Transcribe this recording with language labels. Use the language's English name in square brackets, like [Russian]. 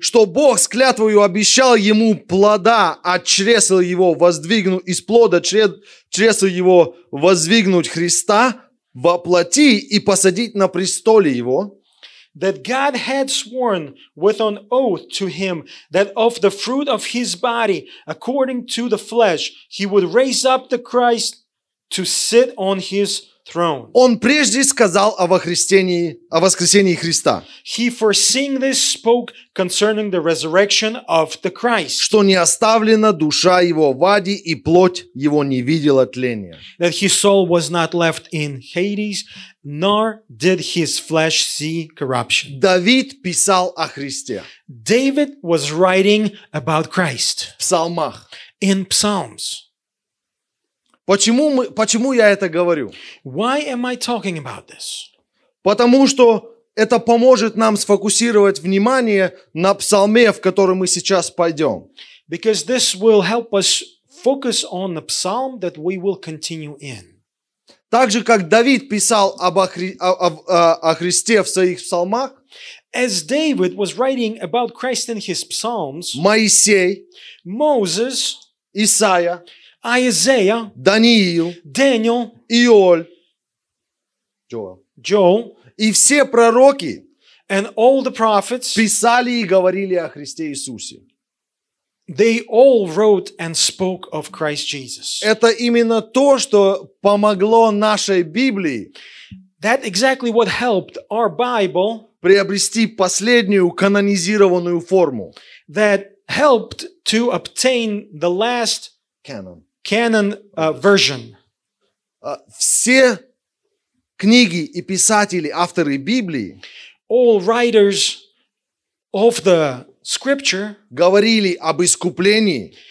[Russian] что Бог с клятвою обещал ему плода от чресла его воздвигнуть, из плода чресла его воздвигнуть Христа во плоти и посадить на престоле его, [English] that God had sworn with an oath to him that of the fruit of his body, according to the flesh, he would raise up the Christ to sit on his throne. [Russian] Он прежде сказал о воскресении Христа. [English] He foreseeing this spoke concerning the resurrection of the Christ. [Russian] Что не оставлена душа его в аде, и плоть его не видела тления. [English] That his soul was not left in Hades, nor did his flesh see corruption. [Russian] Давид писал о Христе. [English] David was writing about Christ. [Russian] В псалмах. [English] In Psalms. [Russian] Почему я это говорю? [English] Why am I talking about this? [Russian] Потому что это поможет нам сфокусировать внимание на псалме, в который мы сейчас пойдем. [English] Because this will help us focus on the psalm that we will continue in. [Russian] Так же, как Давид писал о Христе в своих псалмах, [English] As David was writing about Christ in his psalms, [Russian] Моисей, [English] Moses, [Russian] Исаия, [English] Isaiah, [Russian] Даниил, [English] Daniel, [Russian] Иоль, [English] Joel, [Russian] и все пророки [English] and all the prophets, [Russian] писали и говорили о Христе Иисусе. [English] They all wrote and spoke of Christ Jesus. [Russian] Это именно то, что помогло нашей Библии [English] That exactly what helped our Bible [Russian] приобрести последнюю канонизированную форму. [English] That helped to obtain the last Canon version. [Russian] Все книги и писатели, авторы Библии, [English] all writers of the scripture, [Russian] говорили об искуплении,